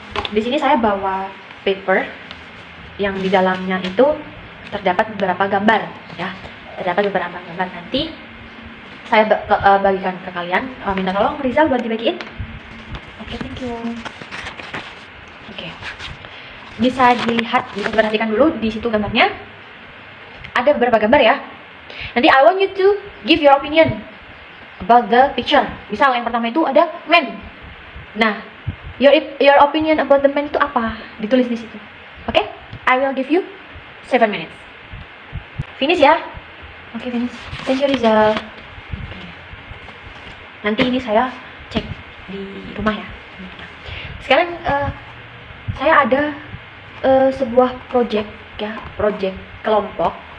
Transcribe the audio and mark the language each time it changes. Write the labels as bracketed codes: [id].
[id] Di sini saya bawa paper yang di dalamnya itu terdapat beberapa gambar ya. Terdapat beberapa gambar. Nanti saya bagikan ke kalian. Minta tolong Rizal buat dibagiin. [en] Okay, thank you. [id] Bisa dilihat, bisa diperhatikan dulu di situ gambarnya. Ada beberapa gambar ya. Nanti [en] I want you to give your opinion about the picture. [id] Misal yang pertama itu ada man. Nah, [en] your opinion about the man [id] itu apa? Ditulis di situ. Oke? [en] Okay? I will give you 7 minutes. Finish ya. Oke, okay, finish. Thank you, Rizal. Okay. [id] Nanti ini saya cek di rumah ya. Sekarang saya ada sebuah project ya, project kelompok.